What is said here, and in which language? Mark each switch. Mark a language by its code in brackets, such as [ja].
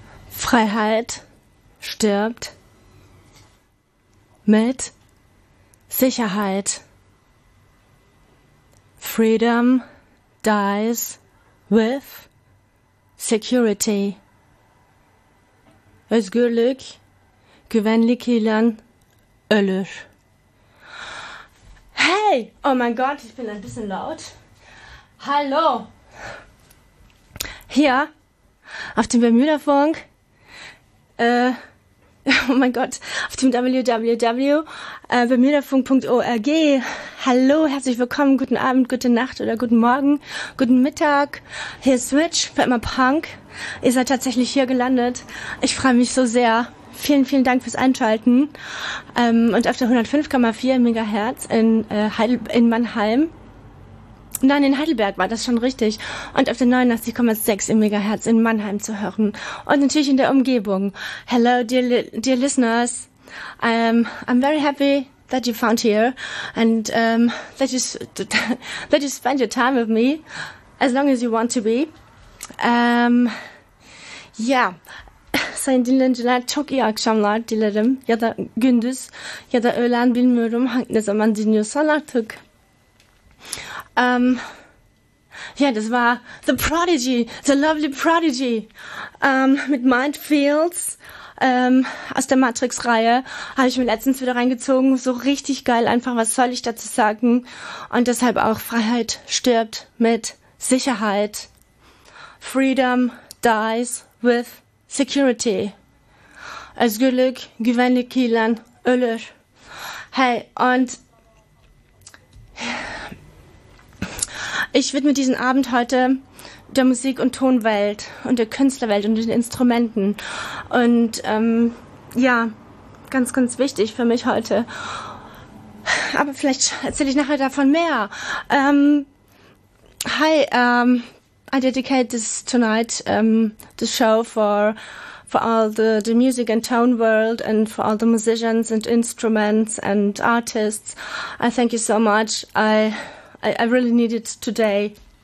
[de] Freiheit stirbt mit Sicherheit. [en] Freedom dies with security. [tr] Özgürlük güvenlikiyle ölür. [de] Hey, oh mein Gott, ich bin ein bisschen laut. Hallo. Hier auf dem Bermuda-Funk. Oh mein Gott, auf dem www.bermudafunk.org. Hallo, herzlich willkommen, guten Abend, gute Nacht oder guten Morgen, guten Mittag. Hier ist Switch, für immer Punk. Ihr seid tatsächlich hier gelandet. Ich freue mich so sehr. Vielen, vielen Dank fürs Einschalten. Und auf der 105,4 Megahertz in Mannheim. Nein, in Heidelberg war das schon richtig. Und auf der 89,6 im Megahertz in Mannheim zu hören. Und natürlich in der Umgebung. [en] Hello, dear listeners. I'm very happy that you found here and that you spend your time with me as long as you want to be. Yeah. [tr] Sayın dinleyiciler, çok iyi akşamlar dilerim. Ya da gündüz ya da öğlen, bilmiyorum ne zaman dinliyorsan artık. [de] Ja, das war The Prodigy, The Lovely Prodigy, mit Mindfields, aus der Matrix-Reihe, habe ich mir letztens wieder reingezogen, so richtig geil einfach, was soll ich dazu sagen, und deshalb auch Freiheit stirbt mit Sicherheit, [en] Freedom dies with security, [tr] Özgürlük güvenlikiyle ölür. [de] Hey, und ich widme diesen Abend heute der Musik- und Tonwelt und der Künstlerwelt und den Instrumenten. Und ja, ganz, ganz wichtig für mich heute. Aber vielleicht erzähle ich nachher davon mehr. [en] Hi, I dedicate this tonight, this show for all the music and tone world and for all the musicians and instruments and artists. I thank you so much. I really need it today.